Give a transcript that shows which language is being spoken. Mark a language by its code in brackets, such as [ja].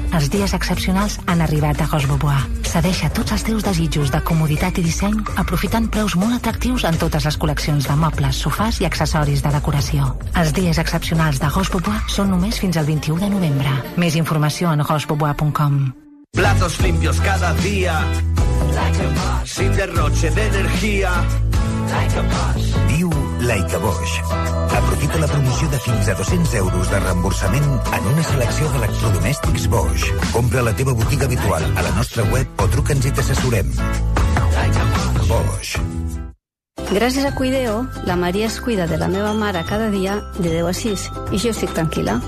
[ca] Els dies excepcionals han arribat a Roche Bobois. Cedeix a tots els teus desitjos de comoditat i disseny aprofitant preus molt atractius en totes les col·leccions de mobles, sofàs i accessoris de decoració. Els dies excepcionals de Roche Bobois són només fins al 21 de novembre. Més informació en rochebobois.com. [es] Platos limpios cada dia. Sin derroche de energía. [en] Diu Like a Bosch. [ca] Aprofita la promoció de fins a 200 euros de reemborsament en una selecció d'electrodomèstics Bosch. Compra la teva botiga habitual a la nostra web o truca'ns i t'assessorem. Bosch. Gràcies a Cuideo, la Maria es cuida de la meva mare cada dia de 10 a 6 i jo estic tranquil·la.